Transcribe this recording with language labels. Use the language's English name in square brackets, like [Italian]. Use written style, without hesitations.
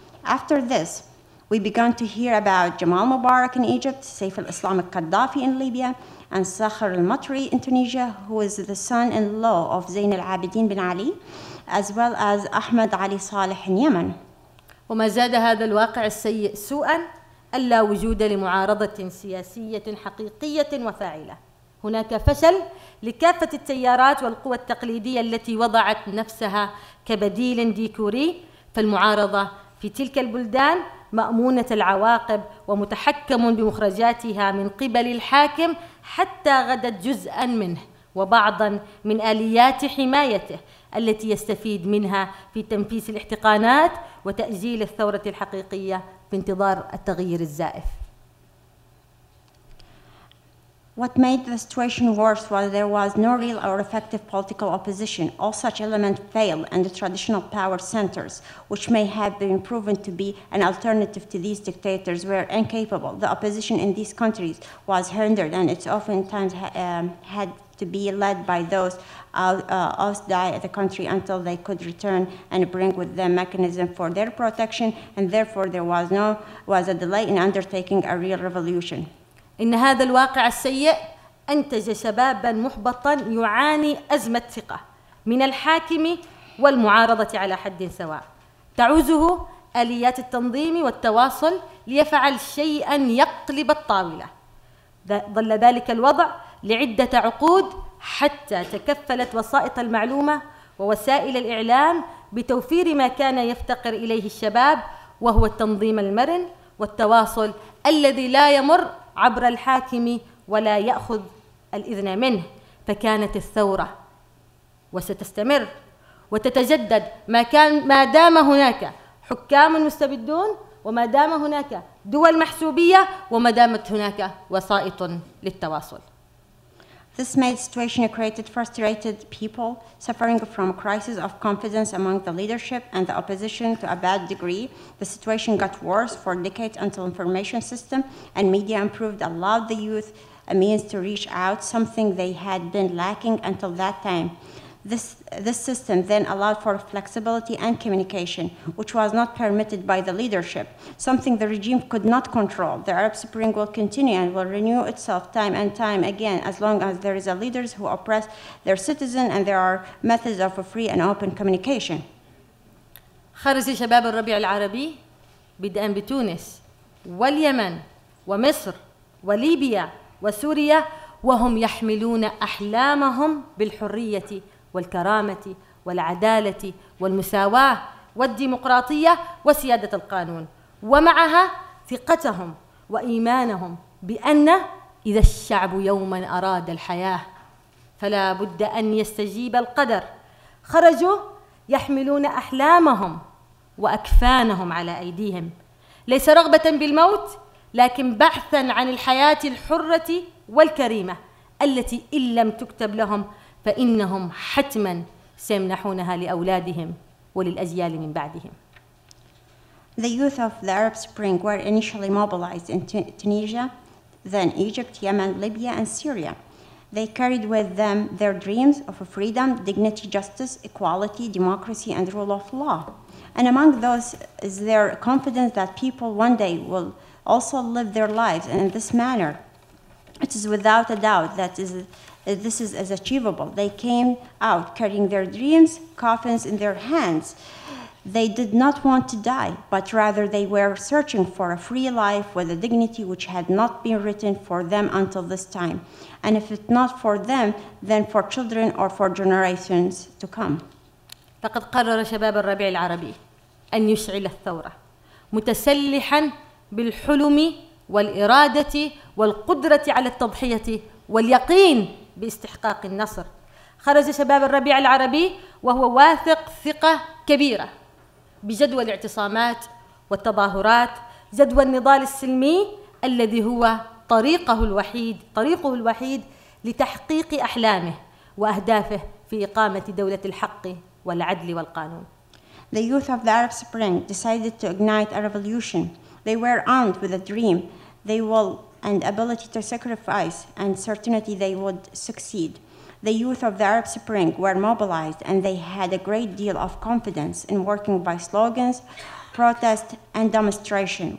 [English] After this, we began to hear about Jamal Mubarak in Egypt, Saif al-Islam al-Qaddafi in Libya, and Sakhr al-Matri in Tunisia, who is the son-in-law of Zain al-Abidin bin Ali, as well as Ahmad Ali Saleh in Yemen. [Arabic] وما زاد هذا الواقع السيء سوءا ألا وجود لمعارضة سياسية حقيقية وفاعلة. هناك فشل لكافة التيارات والقوى التقليدية التي وضعت نفسها كبديل ديكوري، فالمعارضة في تلك البلدان مأمونة العواقب ومتحكم بمخرجاتها من قبل الحاكم حتى غدت جزءا منه وبعضا من آليات حمايته التي يستفيد منها في تنفيذ الاحتقانات وتأجيل الثورة الحقيقية في انتظار التغيير الزائف. [English] What made the situation worse was there was no real or effective political opposition. All such elements failed, and the traditional power centers, which may have been proven to be an alternative to these dictators, were incapable. The opposition in these countries was hindered, and it's oftentimes had to be led by those outside the country until they could return and bring with them mechanism for their protection, and therefore there was a delay in undertaking a real revolution. [Arabic] إن هذا الواقع السيء أنتج شباباً محبطاً يعاني أزمة ثقة من الحاكم والمعارضة على حد سواء، تعوزه آليات التنظيم والتواصل ليفعل شيئاً يقلب الطاولة. ظل ذلك الوضع لعدة عقود حتى تكفلت وسائط المعلومة ووسائل الإعلام بتوفير ما كان يفتقر إليه الشباب، وهو التنظيم المرن والتواصل الذي لا يمر عبر الحاكم ولا يأخذ الإذن منه. فكانت الثورة وستستمر وتتجدد ما دام هناك حكام مستبدون، وما دام هناك دول محسوبية، وما دامت هناك وسائط للتواصل. [English] This made situation created frustrated people suffering from a crisis of confidence among the leadership and the opposition to a bad degree. The situation got worse for decades until information system and media improved allowed the youth a means to reach out, something they had been lacking until that time. This system then allowed for flexibility and communication, which was not permitted by the leadership, something the regime could not control. The Arab Spring will continue and will renew itself time and time again as long as there is a leaders who oppress their citizens and there are methods of a free and open communication. [Arabic] خرج شباب الربيع العربي بدءا بتونس واليمن ومصر وليبيا وسوريا وهم يحملون أحلامهم بالحرية والكرامة والعدالة والمساواة والديمقراطية وسيادة القانون، ومعها ثقتهم وإيمانهم بأن إذا الشعب يوما أراد الحياة فلا بد أن يستجيب القدر. خرجوا يحملون أحلامهم وأكفانهم على أيديهم، ليس رغبة بالموت لكن بحثا عن الحياة الحرة والكريمة التي إن لم تكتب لهم فإنهم حتماً سيمنحونها لأولادهم وللأجيال من بعدهم. [English] The youth of the Arab Spring were initially mobilized in Tunisia, then Egypt, Yemen, Libya, and Syria. They carried with them their dreams of freedom, dignity, justice, equality, democracy, and rule of law. And among those is their confidence that people one day will also live their lives in this manner. It is without a doubt that this is achievable. They came out carrying their dreams, coffins in their hands. They did not want to die, but rather they were searching for a free life with a dignity which had not been written for them until this time. And if it's not for them, then for children or for generations to come. [Arabic] لقد قرر شباب الربيع العربي أن يشعل الثورة متسلحا بالحلم والإرادة والقدرة على التضحية واليقين باستحقاق النصر. خرج شباب الربيع العربي وهو واثق ثقة كبيرة بجدوى الاعتصامات والتظاهرات، جدوى النضال السلمي الذي هو طريقه الوحيد لتحقيق أحلامه وأهدافه في إقامة دولة الحق والعدل والقانون. [English] The youth of the Arab Spring decided to ignite a revolution. They were armed with a dream, they will and ability to sacrifice and certainty they would succeed. The youth of the Arab Spring were mobilized and they had a great deal of confidence in working by slogans, protest and demonstration.